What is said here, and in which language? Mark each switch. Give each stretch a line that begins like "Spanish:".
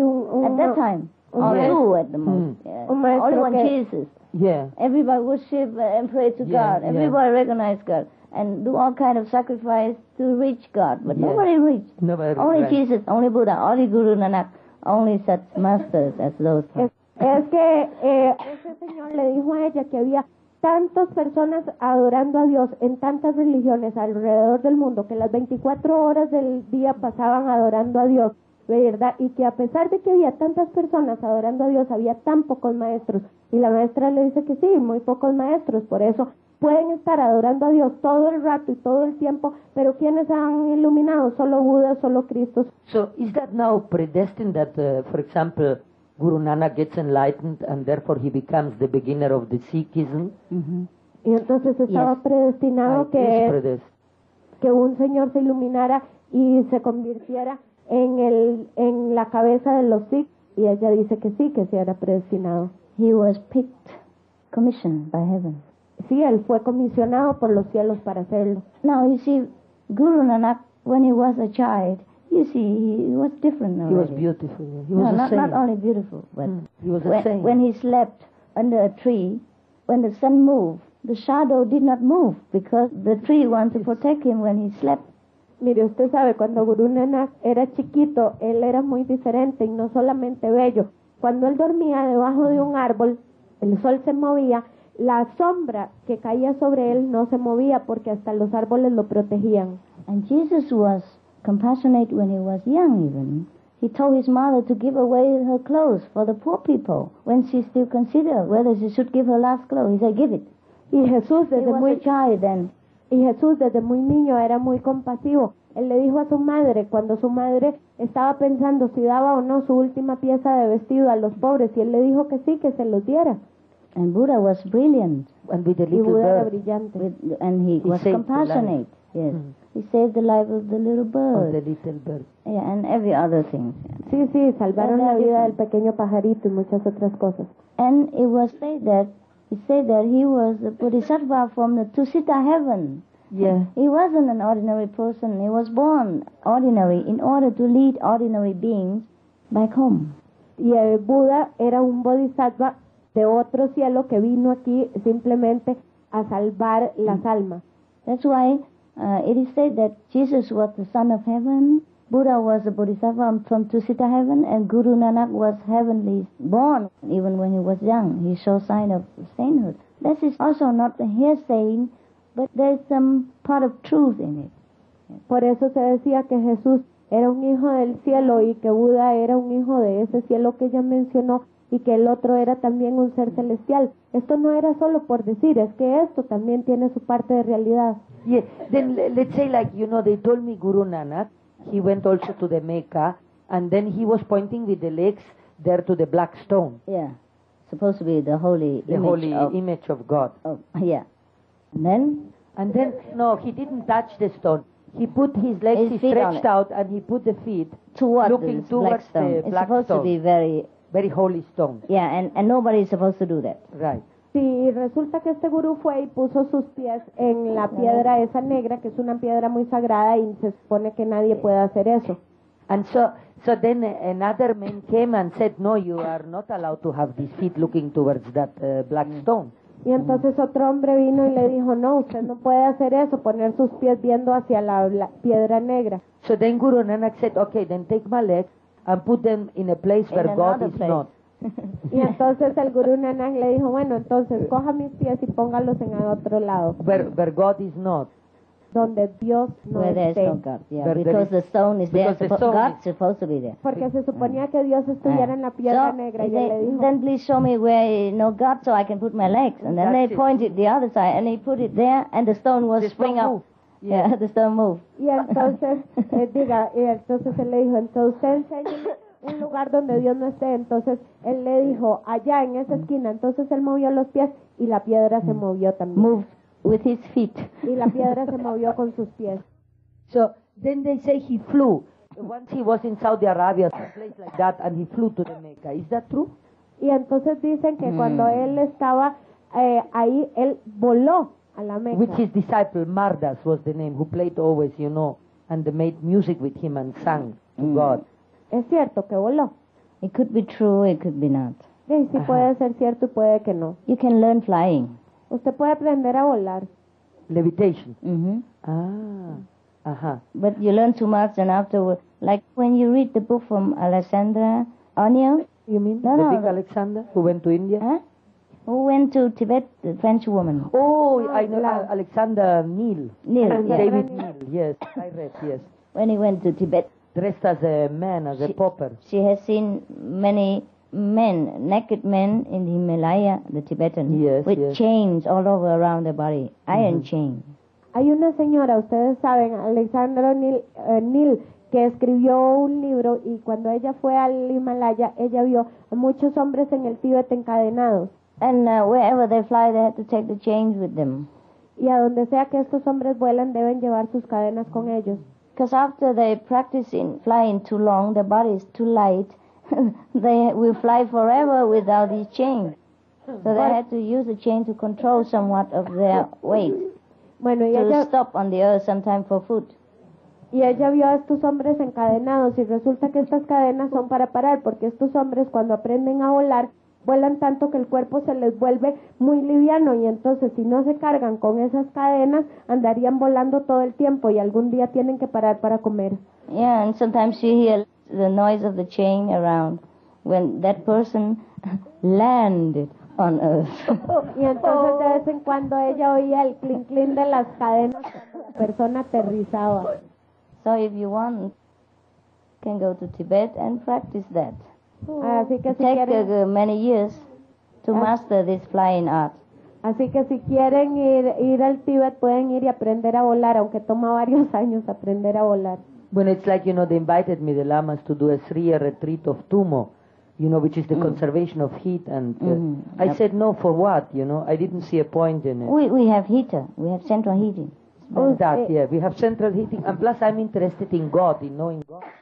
English: at that time. Two at the moment. Mm. Yes. Only one Jesus. Yeah. Everybody worship and pray to God. Everybody recognize God. And do all kind of sacrifice to reach God, but nobody reached. Nobody. Jesus, only Buddha, only Guru Nanak, only such masters as those.
Spanish: Es que ese señor le dijo a ella que había tantas personas adorando a Dios en tantas religiones alrededor del mundo que las 24 horas del día pasaban adorando a Dios, ¿verdad? Y que a pesar de que había tantas personas adorando a Dios, había tan pocos maestros. Y la maestra le dice que sí, muy pocos maestros, por eso pueden estar adorando a Dios todo el rato y todo el tiempo, pero ¿quiénes han iluminado? Solo Buda, solo Cristo.
English: So, is that now predestined that, for example, Guru Nanak gets enlightened and therefore he becomes the beginner of the Sikhism? Mm-hmm.
Spanish: Y entonces estaba predestinado que un señor se iluminara y se convirtiera en la cabeza de los Sikhs. Y ella dice que sí era predestinado.
English: He was picked, commissioned by heaven.
Spanish: Sí, él fue comisionado por los cielos para hacerlo.
English: Now you see, Guru Nanak, when he was a child, you see, he was different already. He was beautiful. He was not only beautiful, but he was when he slept under a tree, when the sun moved, the shadow did not move because the tree wanted to protect him when he slept.
Spanish: Mire, usted sabe, cuando Guru Nanak era chiquito, él era muy diferente y no solamente bello. Cuando él dormía debajo de un árbol, el sol se movía, la sombra que caía sobre él no se movía porque hasta los árboles lo protegían.
English: And Jesus was compassionate when he was young even. He told his mother to give away her clothes for the poor people when she still considered whether she should give her last clothes. He said, give it.
Spanish: Y Jesús desde muy
English: child then.
Spanish: Y Jesús desde muy niño era muy compasivo. Él le dijo a su madre, cuando su madre estaba pensando si daba o no su última pieza de vestido a los pobres, y él le dijo que sí, que se los diera.
English: And Buddha was brilliant. And with the little bird.
Spanish: Y Buddha era brillante.
English: He was compassionate. Yes. He saved the life of the little bird. Of the little bird. Yeah, and every other thing.
Spanish: Sí, sí, salvaron la vida del pequeño pajarito y muchas otras cosas.
English: And it was said that, he said that he was a bodhisattva from the Tusita heaven. Yeah. He wasn't an ordinary person. He was born ordinary in order to lead ordinary beings back home.
Spanish: Y el Buda era un bodhisattva de otro cielo que vino aquí simplemente a salvar las almas.
English: That's why it is said that Jesus was the son of heaven, Buddha was a bodhisattva from Tusita heaven, and Guru Nanak was heavenly born even when he was young. He showed sign of sainthood. This is also not a hearsay, but there's some part of truth in it.
Spanish: Por eso se decía que Jesús era un hijo del cielo y que Buda era un hijo de ese cielo que ella mencionó y que el otro era también un ser celestial. Esto no era solo por decir, es que esto también tiene su parte de realidad.
English: Yeah, then let's say like, you know, they told me Guru Nanak, he went also to the Mecca, and then he was pointing with the legs there to the black stone. Yeah, supposed to be the holy the image, holy of, image of God. Oh, yeah. And then, no, he didn't touch the stone. He put his legs, his he stretched out, and he put the feet towards looking towards black stone. The black stone. It's supposed stone. To be very... very holy stone. Yeah, and nobody is supposed to do that. Right.
Spanish: Sí, resulta que este gurú fue y puso sus pies en la piedra esa negra, que es una piedra muy sagrada, y se supone que nadie puede hacer eso.
English: And so then another man came and said, no, you are not allowed to have these feet looking towards that black stone.
Spanish: Y entonces otro hombre vino y le dijo, no, usted no puede hacer eso, poner sus pies viendo hacia la piedra negra.
English: So then Guru Nanak said, okay, then take my legs and put them in a place where God is not.
Spanish: Y entonces el Guru Nanak le dijo, bueno, entonces coja mis pies y póngalos en el otro lado.
English: Where God is not.
Spanish: Donde Dios no
English: where
Spanish: esté.
English: Where there is no God, yeah. Because the stone is because there. The God is supposed to be there.
Spanish: Porque se suponía que Dios estuviera en la piedra negra.
English: So
Spanish: y él le dijo,
English: then please show me where no God so I can put my legs. And then they pointed the other side and he put it there and the stone was spring up. Yeah, the stone moved.
Spanish: Y entonces, entonces él le dijo, entonces usted enséñeme un lugar donde Dios no esté. Entonces él le dijo, allá en esa esquina. Entonces él movió los pies y la piedra se movió también.
English: Moved with his feet.
Spanish: Y la piedra se movió con sus pies.
English: So, then they say he flew. Once he was in Saudi Arabia, a place like that, and he flew to the Mecca. Is that true?
Spanish: Y entonces dicen que cuando él estaba ahí, él voló.
English: Which his disciple Mardas was the name who played always, you know, and made music with him and sang to God.
Spanish: Es cierto que voló.
English: It could be true, it could be not.
Spanish: Sí, sí puede ser cierto y puede que no.
English: You can learn flying.
Spanish: Usted puede aprender a volar.
English: Levitation. Mm-hmm. Ah. Uh-huh. But you learn too much and afterward, like when you read the book from Alexandra Anio. You mean no, the no, big no. Alexander who went to India? Huh? Who went to Tibet, the French woman. Oh, I know Alexander Neil. Neil, yes. David Neil, yes. I read, yes. When he went to Tibet. Dressed as a man, as a pauper. She has seen many men, naked men in the Himalaya, the Tibetan. Yes, with yes. chains all over around the body, iron chain.
Spanish: Hay una señora, ustedes saben, Alexander Neil, que escribió un libro y cuando ella fue al Himalaya, ella vio a muchos hombres en el Tíbet encadenados.
English: And wherever they fly, they have to take the chains with them.
Spanish: Y a donde sea que estos hombres vuelan, deben llevar sus cadenas con ellos.
English: Because after they practice in flying too long, their body is too light, they will fly forever without these chains. So they had to use the chain to control somewhat of their weight.
Spanish: Bueno, y
English: to
Spanish: ella,
English: stop on the earth sometime for food.
Spanish: Y ella vio a estos hombres encadenados y resulta que estas cadenas son para parar porque estos hombres cuando aprenden a volar vuelan tanto que el cuerpo se les vuelve muy liviano y entonces si no se cargan con esas cadenas andarían volando todo el tiempo y algún día tienen que parar para comer.
English: Yeah, and sometimes you hear the noise of the chain around when that person landed on earth.
Spanish: Y entonces de vez en cuando ella oía el clink clink de las cadenas cuando la persona aterrizaba.
English: So if you want, can go to Tibet and practice that.
Spanish: Así que si
English: take
Spanish: quieren,
English: many years to master this flying art.
Spanish: Así que si quieren ir al Tíbet, pueden ir y aprender a volar, aunque toma varios años aprender a volar. Bueno,
English: it's like, you know, they invited me, the lamas, to do a 3-year retreat of Tumo, you know, which is the conservation of heat. And I said, no, for what, you know? I didn't see a point in it. We have heater. We have central heating. Oh, that, yeah. We have central heating. And plus, I'm interested in God, in knowing God.